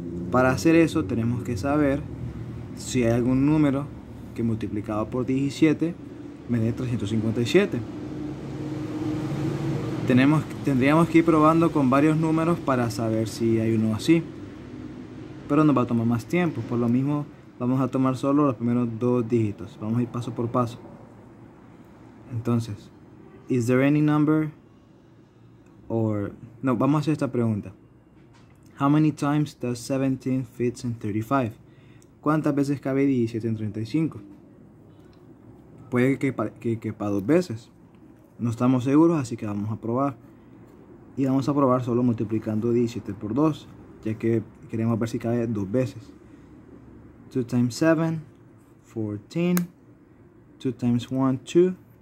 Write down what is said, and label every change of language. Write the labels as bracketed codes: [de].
[es] Para hacer eso tenemos que saber si hay algún número que multiplicado por 17 me dé 357. Tendríamos que ir probando con varios números para saber si hay uno así. Pero nos va a tomar más tiempo, por lo mismo vamos a tomar solo los primeros dos dígitos. Vamos a ir paso por paso. [en] Entonces, is there any number? [es] Or, no, vamos a hacer esta pregunta. [en] How many times does 17 fits in 35? [es] ¿Cuántas veces cabe 17 en 35? Puede que quepa dos veces. No estamos seguros, así que vamos a probar. Y vamos a probar solo multiplicando 17 por 2, ya que queremos ver si cabe dos veces. [en] 2 times 7, 14. 2 times 1, 2.